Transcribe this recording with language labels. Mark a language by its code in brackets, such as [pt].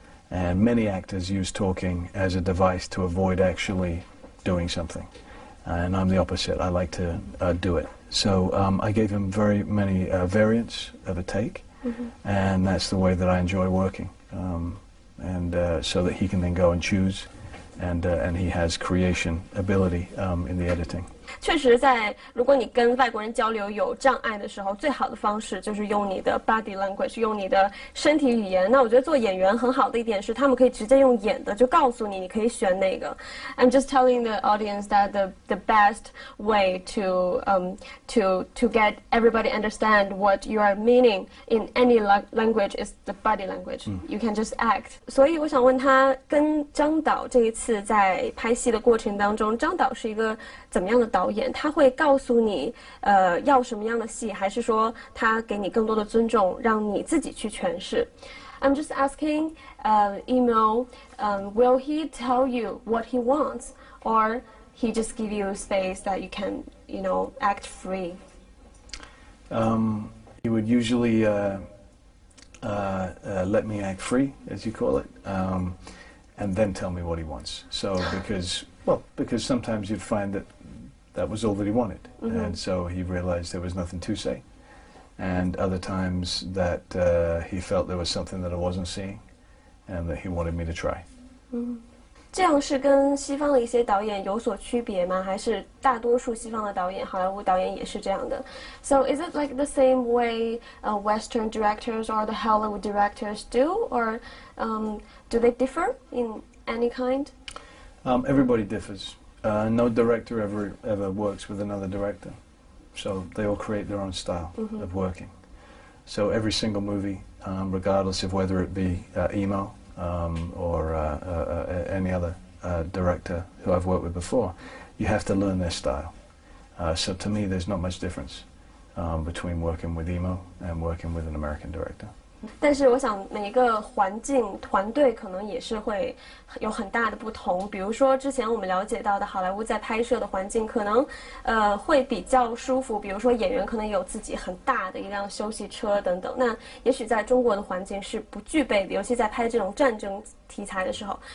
[en] And many actors use talking as a device to avoid actually doing something. And I'm the opposite. I like to do it. So I gave him very many variants of a take, and that's the way that I enjoy working. So that he can then go and choose. And he has creation ability in the editing. [zh] 确实在如果你跟外国人交流有障碍的时候，最好的方式就是用你的 body language， 用你的身体语言。那我觉得做演员很好的一点是他们可以直接用演的就告诉你，你可以选哪个。 [en] I'm just telling the audience that the best way to get everybody understand what you are meaning in any language is the body language、mm. you can just act。 [zh] 所以我想问他，跟张导这一次在拍戏的过程当中，张导是一个怎么样的导演？他会告诉你要什么样的戏，还是说他给你更多的尊重让你自己去诠释？ [en] I'm just asking Emil, will he tell you what he wants, or he just give you space that you can, you know, act free? He would usually let me act free, as you call it, and then tell me what he wants. So because sometimes you'd find that was all that he wanted,、mm-hmm. and so he realized there was nothing to say, and other times that he felt there was something that I wasn't seeing, and that he wanted me to try.、 Mm-hmm. [zh] 这样是跟西方的一些导演有所区别吗？还是大多数西方的导演，好莱坞导演也是这样的？ [en] So is it like the same way Western directors or the Hollywood directors do, or do they differ in any kind? Everybody differs. No director ever works with another director. So they all create their own style、mm-hmm. of working. So every single movie,regardless of whether it be Emo or any other director who I've worked with before, you have to learn their style. So to me, there's not much difference between working with Emo and working with an American director. [zh] 但是我想每一个环境团队可能也是会有很大的不同，比如说之前我们了解到的好莱坞在拍摄的环境可能会比较舒服，比如说演员可能有自己很大的一辆休息车等等，那也许在中国的环境是不具备的，尤其在拍这种战争题材的时候。